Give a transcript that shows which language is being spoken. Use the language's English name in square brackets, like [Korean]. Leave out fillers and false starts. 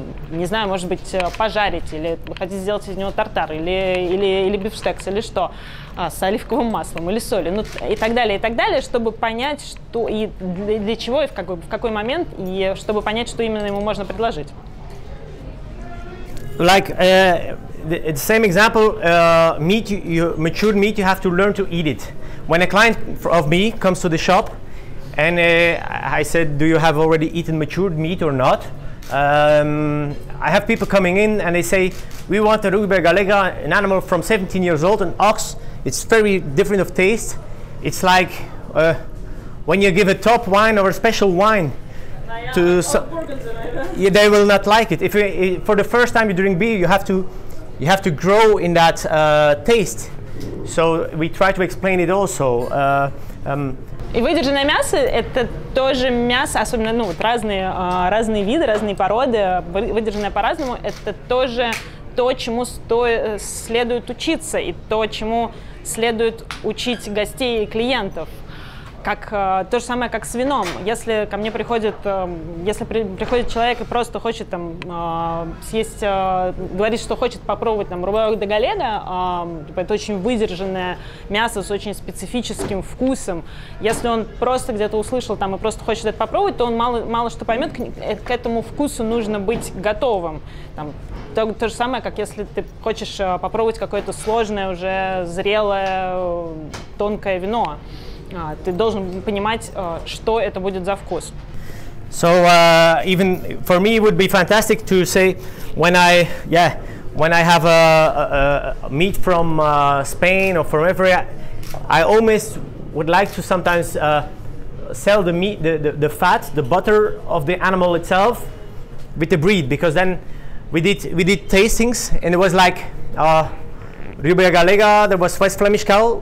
[Russian] Не знаю, может быть, пожарить, или вы хотите сделать из него тартар, или бифштекс, или что? С оливковым маслом или солью, ну, и так далее, чтобы понять, что и для чего, и в какой момент, и чтобы понять, что именно ему можно предложить. [English] Like the same example, meat, you matured meat, you have to learn to eat it. When a client of me comes to the shop and I said, do you have already eaten matured meat or not? I have people coming in and they say, we want a Rugby Galega, an animal from 17 years old, an ox. It's very different of taste. It's like when you give a top wine or a special wine. They will not like it. For the first time you drink beer, you have to grow in that taste. So we try to explain it also. [Russian] И выдержанное мясо – это тоже мясо, особенно разные виды, разные породы, выдержанное по-разному. Это тоже то, чему следует учиться, и то, чему следует учить гостей и клиентов. Как то же самое, как с вином. Если ко мне приходит, приходит человек и просто хочет там съесть, говорит, что хочет попробовать там рубаок де галега, это очень выдержанное мясо с очень специфическим вкусом. Если он просто где-то услышал там и просто хочет это попробовать, то он мало что поймет. К этому вкусу нужно быть готовым. Там, то же самое, как если ты хочешь попробовать какое-то сложное, уже зрелое, тонкое вино. Ты должен понимать, что это будет за вкус. [English] So even for me it would be fantastic to say when I have a meat from Spain or from wherever, I almost would like to sometimes sell the meat, the fat, the butter of the animal itself with the breed, because then we did tastings and it was like Rubia Galega, there was West Flemish cow.